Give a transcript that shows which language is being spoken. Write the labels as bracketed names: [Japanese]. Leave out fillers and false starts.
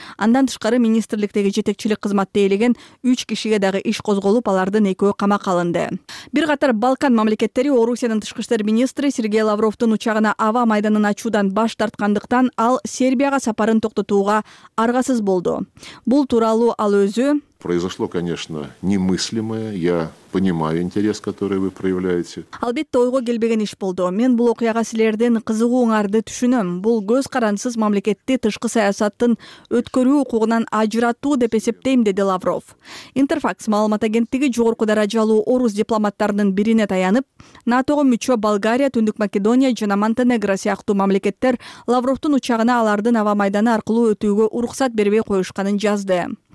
[Kyrgyz] Андан тышкары министрликтеги жетекчилик кызматты ээлеген 3 кишиге дагы иш козголуп, алардын экөө камакка алынды. Бир катар Балкан мамлекеттери Орусиянын тышкы иштер министри Сергей Лавровдун учагына аба майданын ачуудан баш тарткандыктан ал Сербияга сапарын токтотууга аргасыз болду. Бул тууралуу ал өзү: [Russian] Произошло, конечно, немыслимое. Я понимаю интерес, который вы проявляете. [Kyrgyz] Албетте ойго келбеген иш болду. Мен бул окуяга силердин кызыгууңарды түшүнөм. Бул көз карансыз мамлекетти тышкы саясаттын өткөрүү укугунан ажыратуу деп эсептейм, деди Лавров. Интерфакс маалымат агенттиги жогорку даражалуу орус дипломаттарынын бирине таянып, НАТОго мүчө Болгария, Түндүк Македония жана Монтенегро сыяктуу мамлекеттер Лавровдун учагына алардын аба майданы аркылуу өтүүгө уруксат бербей коюшканын жазды.